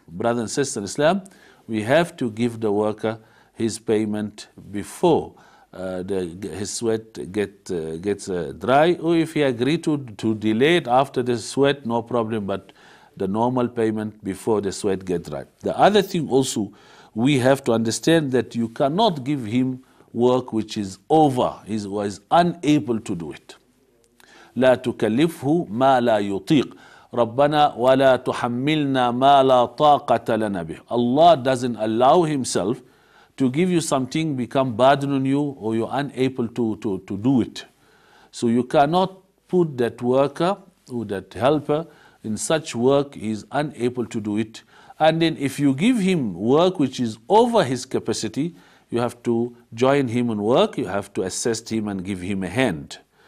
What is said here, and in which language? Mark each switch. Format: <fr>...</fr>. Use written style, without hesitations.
<en>Brother and sister in Islam, we have to give the worker his payment before his sweat gets dry, or if he agreed to delay it after the sweat, no problem, but the normal payment before the sweat get dry. The other thing also, we have to understand that you cannot give him work which is over, he was unable to do it.</en> <ar>لا تكلفه ما لا يطيق ربنا ولا تحملنا ما لا طاقة لنا به.</ar> <en>Allah doesn't allow himself to give you something, become burden on you, or you're unable to do it. So you cannot put that worker or that helper in such work, he's unable to do it. And then if you give him work which is over his capacity, you have to join him in work, you have to assist him and give him a hand.</en>